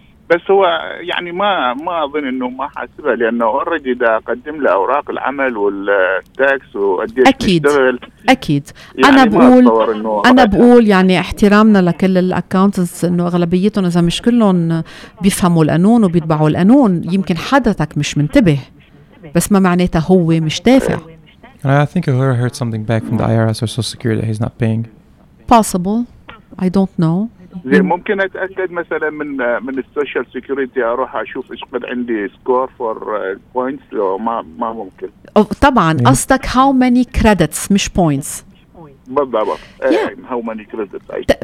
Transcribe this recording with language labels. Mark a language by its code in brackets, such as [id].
[ar] بس هو يعني ما اظن انه ما حاسبها لانه اوريدي دا اقدم له اوراق العمل والتاكس واديه اكيد مشتغل. اكيد يعني انا بقول يعني احترامنا لكل الاكاونتس انه اغلبيتهم اذا مش كلهم بيفهموا القانون وبيتبعوا القانون يمكن حضرتك مش منتبه بس ما معناتها هو مش دافع [en] And I think I heard something back from the IRS or Social Security that he's not paying. Possible. I don't know. [ar] زين ممكن أتأكد مثلا من السوشيال سيكوريتي أروح أشوف إيش قد عندي [en] score four points [ar] لو ما ممكن. طبعا قصدك [en] how many credits [ar] مش points. بالضبط.